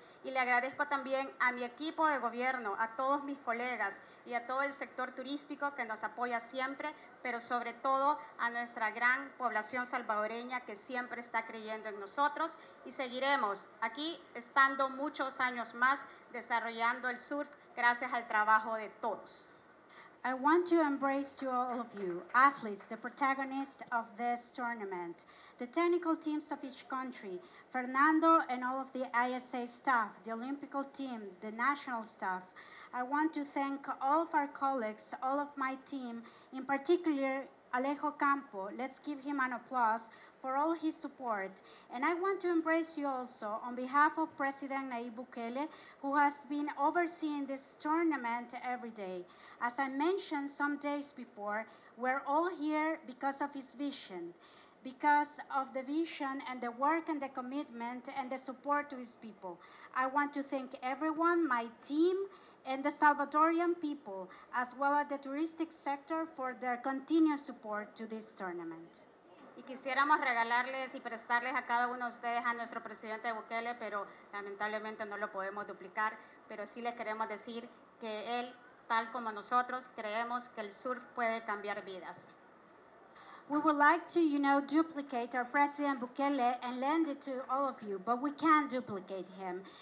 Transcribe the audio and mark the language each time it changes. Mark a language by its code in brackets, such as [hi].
[es] Y le agradezco también a mi equipo de gobierno, a todos mis colegas y a todo el sector turístico que nos apoya siempre, pero sobre todo a nuestra gran población salvadoreña que siempre está creyendo en nosotros y seguiremos aquí estando muchos años más desarrollando el surf gracias al trabajo de todos. [en] I want to embrace to all of you, athletes, the protagonists of this tournament, the technical teams of each country, Fernando and all of the ISA staff, the Olympic team, the national staff. I want to thank all of our colleagues, all of my team, in particular Alejo Campo, let's give him an applause for all his support. And I want to embrace you also on behalf of President Nayib Bukele, who has been overseeing this tournament every day. As I mentioned some days before, we're all here because of his vision, because of the vision and the work and the commitment and the support to his people. I want to thank everyone, my team, and the Salvadorian people, as well as the touristic sector, for their continued support to this tournament. [es] Y quisiéramos regalarles y prestarles a cada uno de ustedes a nuestro presidente Bukele, pero lamentablemente no lo podemos duplicar, pero sí les queremos decir que él, tal como nosotros, creemos que el surf puede cambiar vidas. [en] We would like to, you know, duplicate our President Bukele and lend it to all of you, but we can't duplicate him.